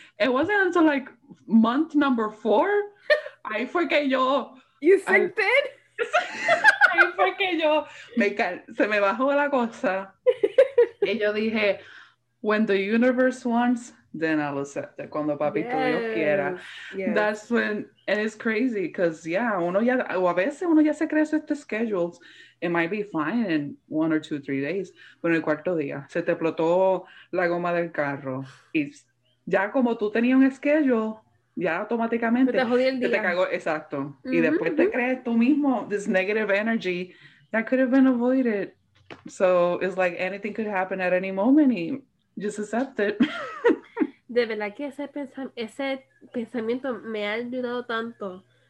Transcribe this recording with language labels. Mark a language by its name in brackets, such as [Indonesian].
[English] It wasn't until like month number 4. [Spanish] Ahí fue que yo. [English] You synced it? [Spanish] ahí fue que yo se me bajó la cosa. Y yo dije, [English] when the universe wants, then I'll accept it. [Spanish] Cuando papito Dios quiera. Yes. [English] That's when, and it's crazy, because, [Spanish] yeah, uno ya, o a veces uno ya se crea sus schedules. [English] It might be fine in 1 or 2, 3 days. [Spanish] Pero en el cuarto día, se te explotó la goma del carro. Y ya como tú tenías un schedule, ya automáticamente. Pero te jodí el día. Te cagó, exacto. Mm-hmm. Y después te crees tú mismo, [English] this negative energy, that could have been avoided. So it's like anything could happen at any moment y just accept it. [Spanish] De verdad que ese pensamiento me ha ayudado tanto.